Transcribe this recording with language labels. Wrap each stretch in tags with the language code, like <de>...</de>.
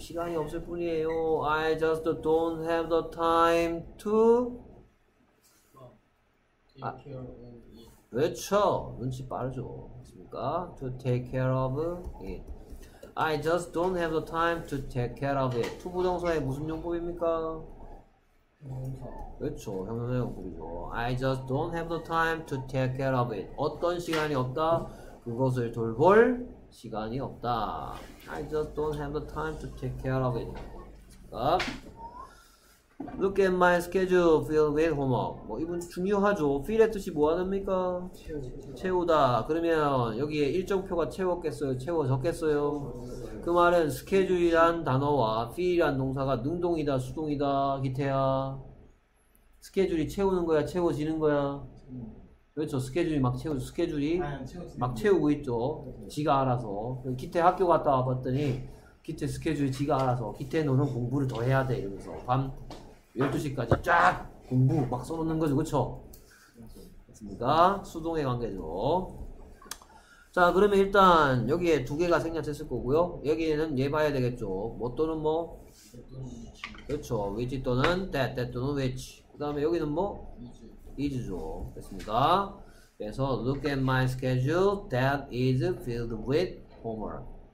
<ko>시간이 없을 뿐이에요.</ko> <en>I just don't have the time to take care of it.</en> <ko>그렇죠. 눈치 빠르죠. 그러니까</ko> <en>to take care of it. I just don't have the time to take care of it.</en> <ko>to 부정사의 무슨 용법입니까? 그렇죠. 형용사 용법이죠.</ko> <en>I just don't have the time to take care of it.</en> <ko>어떤 시간이 없다? 그것을 돌볼 시간이 없다.</ko> <en>I just don't have the time to take care of it. 그러니까, look at my schedule filled with homework.</en> <ko>뭐 이분 중요하죠. fill의 뜻이 뭐하는겁니까? 채우다. 그러면 여기에 일정표가 채웠겠어요? 채워졌겠어요? 그 말은 스케줄이란 단어와 fill이란 동사가 능동이다, 수동이다, 기태야. 스케줄이 채우는 거야, 채워지는 거야. 그렇죠. 스케줄이 막 채우, 스케줄이 막 채우고 있죠. 지가 알아서. 기태 학교 갔다 와봤더니 기태 스케줄이 지가 알아서. 기태 너는 공부를 더 해야 돼 이러면서 밤 12시까지 쫙 공부 막 써놓는 거죠. 그렇죠. 맞습니까? 수동의 관계죠. 자 그러면 일단 여기에 두 개가 생략됐을 거고요. 여기에는 얘 봐야 되겠죠. 뭐 또는 뭐 그렇죠. which 또는 that, that 또는 which. 그 다음에 여기는 뭐 is죠. 됐습니다.</ko> <en>그래서 look at my schedule that is filled with homework.</en>